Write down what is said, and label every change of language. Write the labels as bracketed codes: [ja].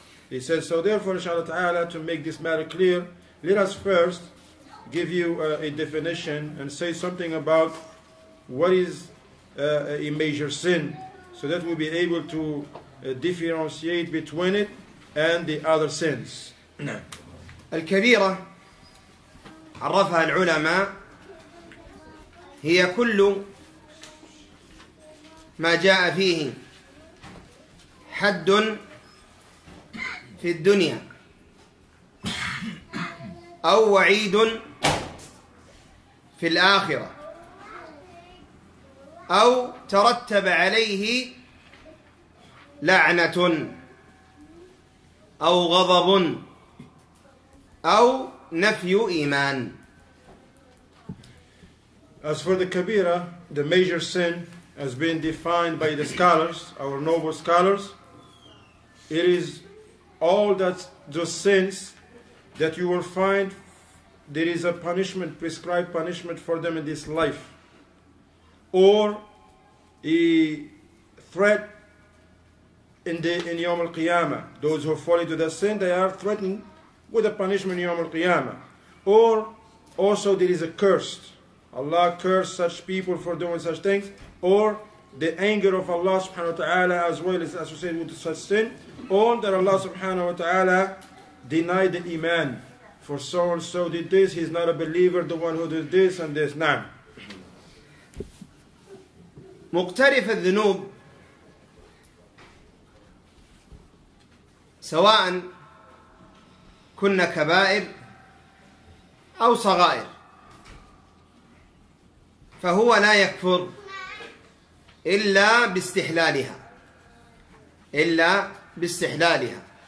[en] He says, so therefore, inshallah ta'ala, to make this matter clear, let us first give you a definition and say something about what is a major sin, so that we'll be able to differentiate between it and the other sins. [ar] الكبيرة عرفها العلماء هي كل ما جاء فيه حد في الدنيا أو وعيد في الآخرة أو ترتب عليه لعنة أو غضب أو نفي إيمان. [en] As for the kabira, the major sin has been defined by the scholars, our noble scholars, it is all that those sins that you will find there is a punishment, prescribed punishment for them in this life, or a threat in Yawm al-Qiyamah. Those who fall into the sin, they are threatened with a punishment in Yawm al-Qiyamah. Or also there is a curse. Allah cursed such people for doing such things, or the anger of Allah subhanahu wa ta'ala as well is associated with such sin. All that Allah subhanahu wa ta'ala denied the iman for so and so did this, he's not a believer, the one who did this and this. Nah. [ar] مقترف الذنوب سواء كنا كبائر أو صغائر فهو لا يكفر إلا باستحلالها، إلا باستحلالها.